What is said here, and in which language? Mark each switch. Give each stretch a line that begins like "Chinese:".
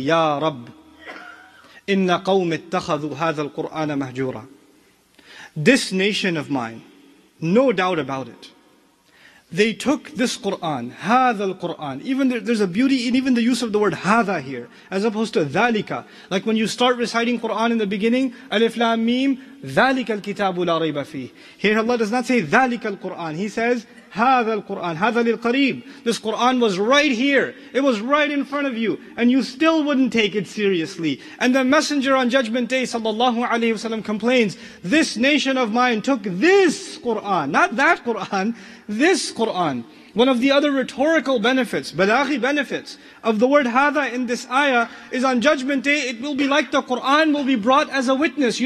Arabic: Ya Rabb, inna qawmi ittakhadhu hadha al-Qur'ana mahjura.
English: This nation of mine, no doubt about it, They took this Qur'an,
Arabic: هذا القرآن.
English: Even there's a beauty in even the use of the word هذا here, as opposed to ذلك. Like when you start reciting Qur'an in the beginning,
Arabic: ألف لام ميم, ذلك الكتاب لا ريب فيه.
English: Here Allah does not say
Arabic: ذلك القرآن.
English: He says
Arabic: هذا القرآن, هذا للقريب.
English: This Qur'an was right here. It was right in front of you. And you still wouldn't take it seriously. And the Messenger on Judgment Day, sallallahu alayhi wasallam, complains, this nation of mine took this Qur'an, not that Qur'an, this Qur'an. One of the other rhetorical benefits, balaghi benefits, of the word hadha in this ayah is on Judgment Day, it will be like the Qur'an will be brought as a witness.